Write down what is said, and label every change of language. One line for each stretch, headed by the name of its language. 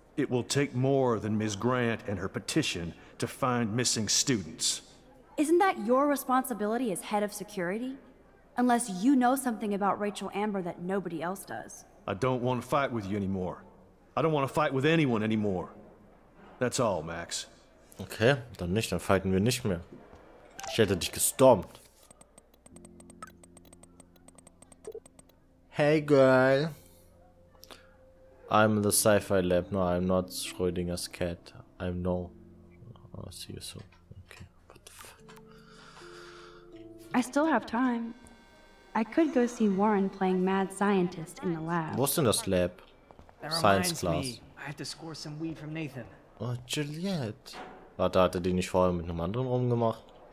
English: It will take more than Ms. Grant and her petition to find missing students. Isn't that your responsibility as head of security? Unless you know something about Rachel Amber that nobody else does. I don't want to fight with you anymore. I don't want to fight with anyone anymore. That's all, Max.
German: Okay, dann nicht, dann fighten wir nicht mehr. Ich hätte dich gestompt.
English: Hey, girl. I'm in the sci-fi lab. No, I'm not Schrödinger's cat. I'm no. I'll see you soon. Okay. What the fuck? I still have time. I could go see Warren playing mad scientist in the lab.
German: Wo ist denn das Lab?
English: Science class. I have to score some weed from Nathan. Oh, Juliet.
German: Warte, hatte die nicht vorher mit einem anderen rumgemacht?